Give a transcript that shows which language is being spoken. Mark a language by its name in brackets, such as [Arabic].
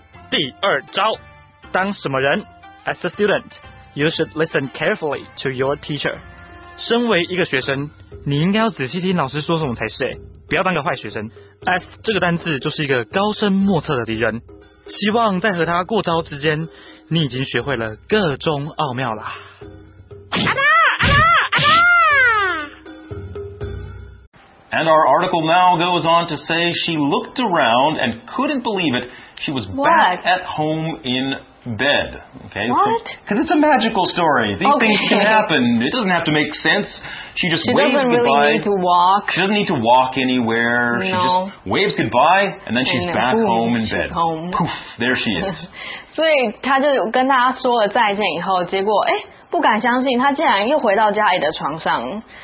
[Chinese] 第二招，当什么人 [English] as a student you should listen carefully to your teacher， [Chinese] 身为一个学生你应该要仔细听老师说什么才是，不要当个坏学生。 S 这个单字就是一个高深莫测的敌人，希望在和他过招之间你已经学会了各种奥妙啦。阿达阿达阿达。 [English] And our article now goes on to say she looked around and couldn't believe it. She was back at home in bed. Okay. What? Because it's a magical story. These things can happen. It doesn't have to make sense. She just waves goodbye. She doesn't really need to walk. She doesn't need to walk anywhere. No. She just waves goodbye and then she's back home in bed. Home. Poof. There she is. [Chinese] 所以她就跟大家说了再见以后，结果哎，不敢相信她竟然又回到家里的床上。